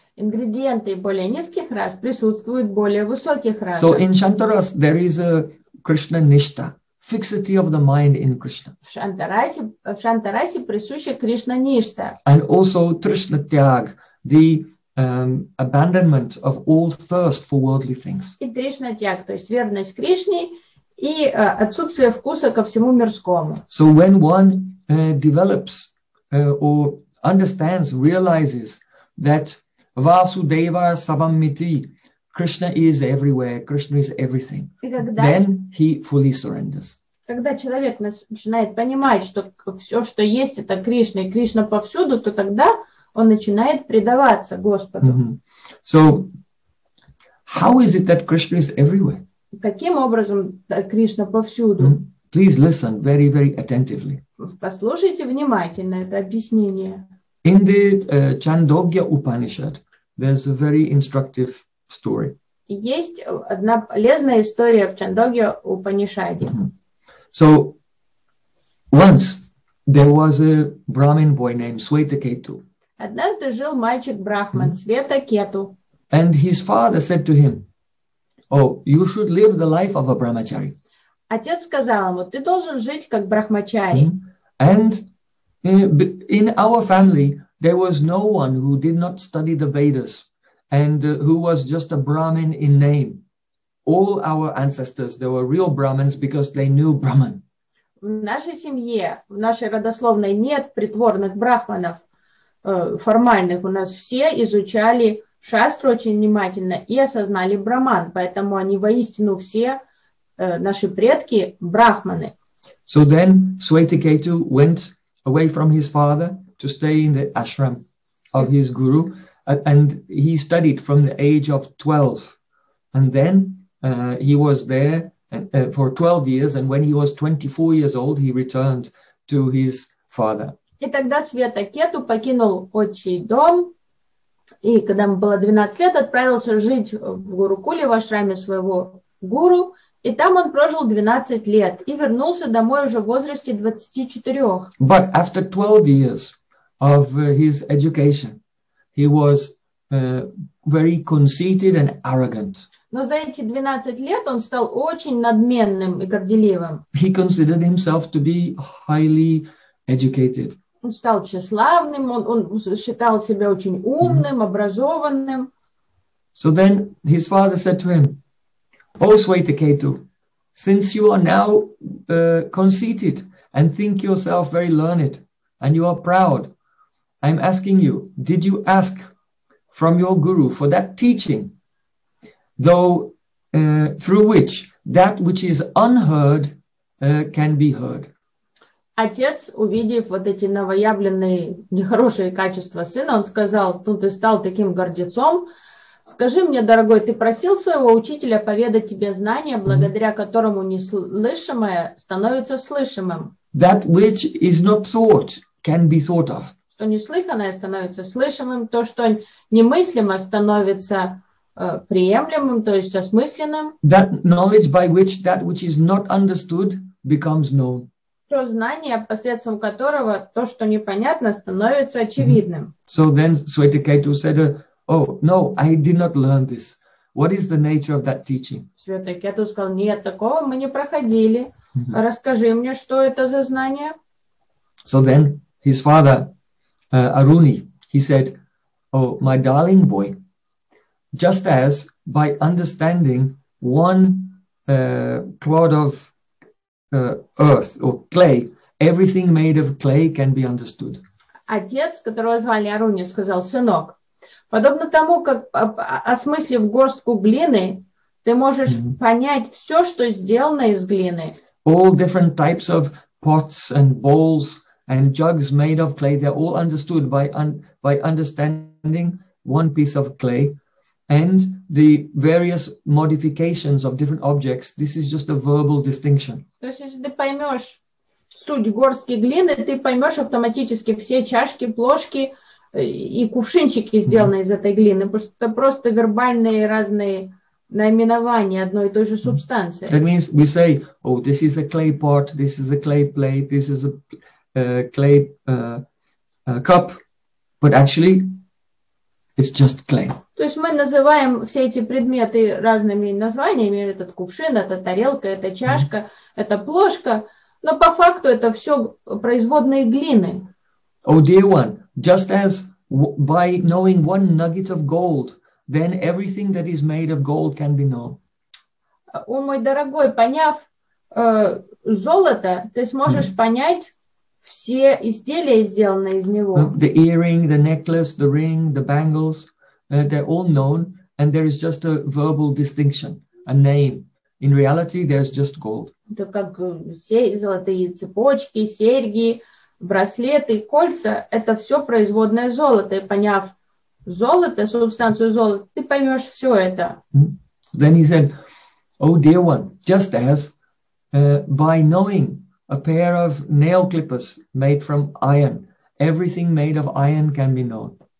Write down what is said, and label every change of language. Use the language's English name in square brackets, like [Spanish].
[Russian] Ингредиенты более низких рас присутствуют более высоких расах. [English] So in Shantaras there is a Krishna nishta, fixity of the mind in Krishna. [Russian] В Шантарасе присуща Кришна ништа. [English] And also Тришна тяг, the abandonment of all thirst for worldly things. [Russian] И Тришна тяг, то есть верность Кришне и отсутствие вкуса ко всему мирскому. [English] So when one develops or understands, realizes that Vasudeva Savamiti, Krishna is everywhere, Krishna is everything, then he fully surrenders. [Russian] Когда человек начинает понимать, что все, что есть, это Кришна, и Кришна повсюду, то тогда он начинает предаваться Господу. Mm-hmm. [English] So, how is it that Krishna is everywhere? [Russian] Каким образом Кришна повсюду? [English] Please listen very, very attentively. [Russian] Послушайте внимательно это объяснение. [English] In the Chandogya Upanishad, there's a very instructive story. [Russian] Есть одна полезная история в Чандогья Упанишаде. Mm-hmm. [English] So, once there was a Brahmin boy named Sweta Ketu. [Russian] Однажды жил мальчик Брахман, Света Кету. [English] And his father said to him, oh, you should live the life of a brahmachari. [Russian] Отец сказал ему, ты должен жить как брахмачари. [English] And in our family, there was no one who did not study the Vedas and who was just a Brahmin in name. All our ancestors, they were real Brahmins because they knew Brahman. [Russian] В нашей семье, в нашей родословной нет притворных брахманов формальных. У нас все изучали шастры очень внимательно и осознали Браман, поэтому они воистину все наши предки брахманы. [English] So then Swetaketu went away from his father to stay in the ashram of his guru, and he studied from the age of 12, and then he was there for 12 years, and when he was 24 years old, he returned to his father. [Russian] И тогда Светакету покинул отчий дом, и когда ему было 12 лет, отправился жить в Гурукуле, в ашраме своего гуру, и там он прожил 12 лет и вернулся домой уже в возрасте 24. [English] But after 12 years of his education, he was very conceited and arrogant. [Russian] Но за эти 12 лет он стал очень надменным и горделивым. [English] He considered himself to be highly educated. [Russian] Он стал тщеславным, он считал себя очень умным, образованным. [English] So then his father said to him, "O Swetaketu, since you are now conceited and think yourself very learned, and you are proud, I'm asking you, did you ask from your guru for that teaching, though through which is unheard can be heard?" [Russian] Отец, увидев вот эти новоявленные нехорошие качества сына, он сказал, ну, ты стал таким гордецом. Скажи мне, дорогой, ты просил своего учителя поведать тебе знания, благодаря которому неслышимое становится слышимым. [English] That which is not thought can be thought of. [Russian] Что неслыханное становится слышимым, то, что немыслимо становится приемлемым, то есть осмысленным. [English] That knowledge by which that which is not understood becomes known. [Russian] То знание, посредством которого то, что непонятно, становится очевидным. [English] So then Swetaketu said, "Oh, no, I did not learn this. What is the nature of that teaching?" [Russian] Светакету сказал, нет, такого мы не проходили. Расскажи мне, что это за знание. [English] So then his father, Aruni, he said, "Oh, my darling boy, just as by understanding one clod of earth or clay, everything made of clay can be understood." [Russian] Отец, которого звали Аруни, сказал, сынок, подобно тому, как, осмыслив горстку глины, ты можешь понять все, что сделано из глины. [English] All different types of pots and bowls and jugs made of clay, they're all understood by understanding one piece of clay and the various modifications of different objects. This is just a verbal distinction. [Russian] То есть, если ты поймешь суть горстки глины, ты поймешь автоматически все чашки, плошки, и кувшинчики, сделанные из этой глины, потому что это просто вербальные разные наименования одной и той же субстанции. [English] That means we say, oh, this is a clay pot, this is a clay plate, this is a clay cup, but actually it's just clay. [Russian] То есть мы называем все эти предметы разными названиями, этот кувшин, эта тарелка, эта чашка, эта плошка, но по факту это все производные глины. [English] Oh, dear one, just as by knowing one nugget of gold, then everything that is made of gold can be known. [Russian] О, мой дорогой, поняв золото, ты сможешь понять все изделия, сделанные из него. [English] The earring, the necklace, the ring, the bangles, they're all known, and there is just a verbal distinction, a name. In reality, there's just gold. [Russian] Это как все золотые цепочки, серьги, браслеты, кольца – это все производное золото. И поняв золото, субстанцию золота, ты поймешь все это. [English] Then he said, "Oh dear one, just as by knowing a pair of nail clippers made from iron, everything made of iron can be known."